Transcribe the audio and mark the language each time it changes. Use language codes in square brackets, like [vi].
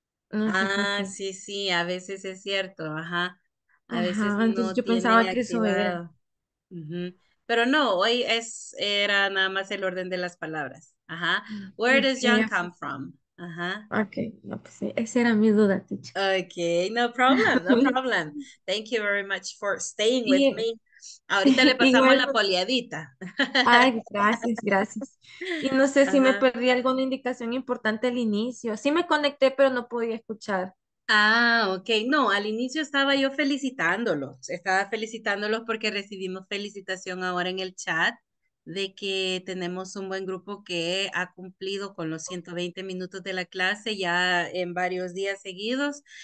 [es] No, ah, sí, a veces es cierto, ajá. A ajá, veces no entonces yo pensaba que eso era. Uh-huh. Pero no, hoy era nada más el orden de las palabras. [en] Ajá. Where does John come from? Ajá. [es] Ok, no, pues sí, esa era mi duda, teacher. [en] Ok, no problem. Thank you very much for staying with me. [es] Ahorita le pasamos igual, la poliadita. Ay, gracias. Y no sé si me perdí alguna indicación importante al inicio. Sí me conecté, pero no podía escuchar. Ah, ok. No, al inicio estaba yo felicitándolos. Estaba felicitándolos porque recibimos felicitación ahora en el chat de que tenemos un buen grupo que ha cumplido con los 120 minutos de la clase ya en varios días seguidos.